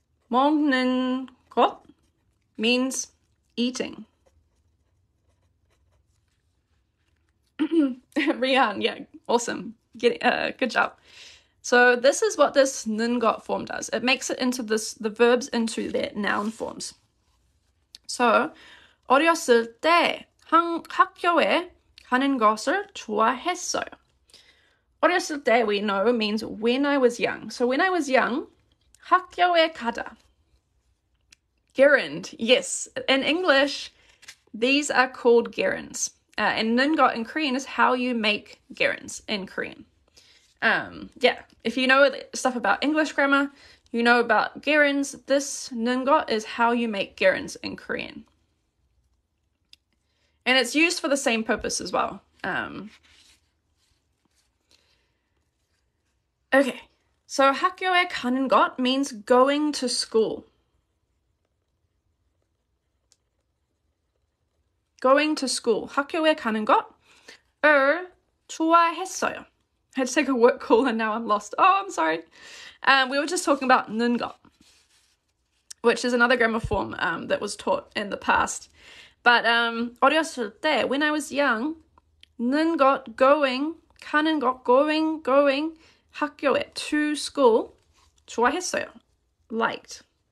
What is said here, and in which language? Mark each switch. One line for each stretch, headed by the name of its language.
English: 먹는 것 means eating. Rian, yeah, awesome. Good job. So this is what this ngot form does. It makes it into this the verbs into their noun forms.
Korean: So 어렸을 때 학교에 가는 것을 좋아했어요.
English: 어렸을 때 we know means when I was young. So when I was young, 학교에 가다. Gerund, yes. In English, these are called gerunds. And ngot in Korean is how you make gerunds in Korean. Yeah, if you know stuff about English grammar, you know about gerunds. This ngot is how you make gerunds in Korean. And it's used for the same purpose as well. Okay, so 학교에 가는 것 means going to school. Going to school.
Korean: 학교에 가는 것을 좋아했어요.
English: I had to take a work call and now I'm lost. Oh, I'm sorry. We were just talking about ngot, which is another grammar form that was taught in the past. But 어렸을 때, when I was young, ngot, going, 가는 것, going, 학교에, to school, 좋아했어요, liked.